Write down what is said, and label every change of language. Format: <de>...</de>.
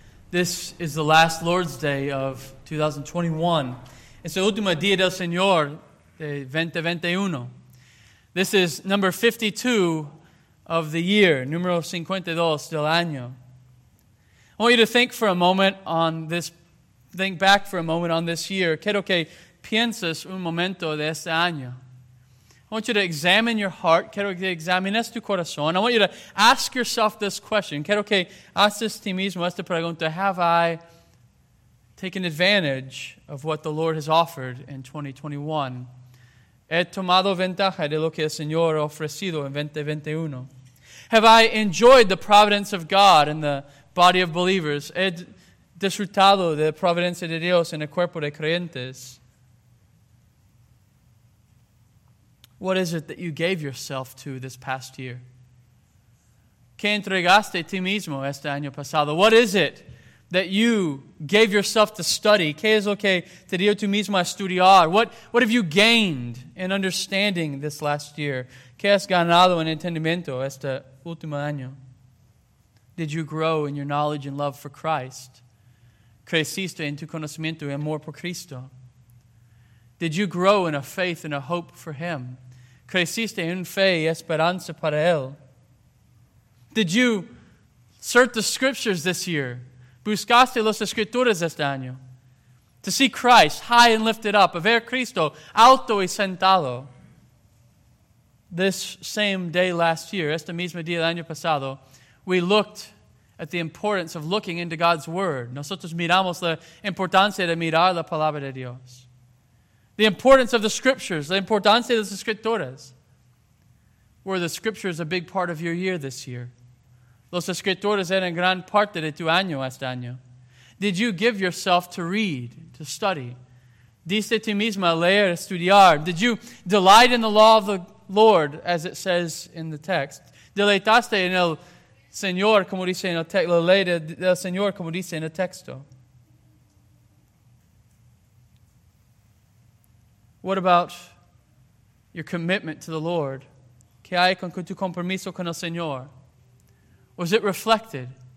<en>This is the last Lord's Day of 2021.</en> <es>Es el último día del Señor de 2021.</es> <en>This is number 52 of the year,</en> <es>número 52 del año.</es> <en>I want you to think for a moment on this, think back for a moment on this year.</en> <es>Quiero que pienses un momento de este año.</es> <en>I want you to examine your heart.</en> <es>Quiero que examines tu corazón.</es> <en>I want you to ask yourself this question.</en> <es>Quiero que haces ti mismo esta pregunta.</es> <en>Have I taken advantage of what the Lord has offered in 2021?</en> <es>He tomado ventaja de lo que el Señor ha ofrecido en 2021.</es> <en>Have I enjoyed the providence of God in the body of believers?</en> <es>He disfrutado de la providencia de Dios en el cuerpo de creyentes.</es> <en>What is it that you gave yourself to this past year?</en> <es>¿Qué entregaste ti mismo este año pasado?</es> <en>What is it that you gave yourself to study?</en> <es>¿Qué es lo que te dio tú mismo a estudiar?</es> <en>What have you gained in understanding this last year?</en> <es>¿Qué has ganado en entendimiento este último año?</es> <en>Did you grow in your knowledge and love for Christ?</en> <es>¿Creciste en tu conocimiento y amor por Cristo?</es> <en>Did you grow in a faith and a hope for Him?</en> <es>¿Creciste en fe y esperanza para él?</es> <en>Did you search the scriptures this year?</en> <es>¿Buscaste las escrituras este año?</es> <en>To see Christ high and lifted up,</en> <es>a ver Cristo alto y sentado.</es> <en>This same day last year,</en> <es>este mismo día del año pasado,</es> <en>we looked at the importance of looking into God's word.</en> <es>Nosotros miramos la importancia de mirar la palabra de Dios.</es> <en>The importance of the scriptures,</en> <es>la importancia de las escrituras.</es> <en>Were the scriptures a big part of your year this year?</en> <es>Los escrituras eran gran parte de tu año este año.</es> <en>Did you give yourself to read, to study?</en> <es>Diste ti mismo leer, estudiar?</es> <en>Did you delight in the law of the Lord, as it says in the text?</en> <es>Deleitaste en el Señor, como dice en el texto. La ley del Señor, como dice en el texto.</es> <en>What about your commitment to the Lord?</en> <es>¿Qué hay con tu compromiso con el Señor?</es> <en>Was it reflected</en>